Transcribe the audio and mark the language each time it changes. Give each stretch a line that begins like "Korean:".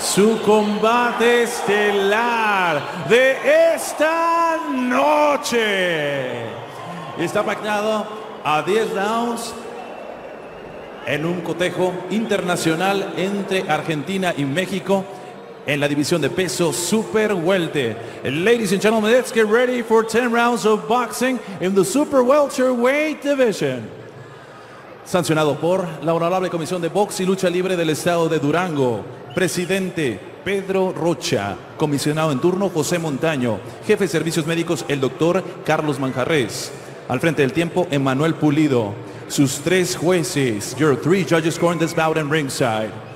Spanish: su combate estelar de esta noche. Está pactado a 10 rounds en un cotejo internacional entre Argentina y México en la división de peso super welter.
English: Ladies and gentlemen, let's get ready for 10 rounds of boxing in the super welterweight division.
Spanish: Sancionado por la Honorable Comisión de Box y Lucha Libre del Estado de Durango. Presidente Pedro Rocha. Comisionado en turno José Montaño. Jefe de Servicios Médicos el doctor Carlos Manjarres. Al frente del tiempo Emmanuel Pulido. Sus tres jueces.
English: Your three judges scoring this bout in ringside.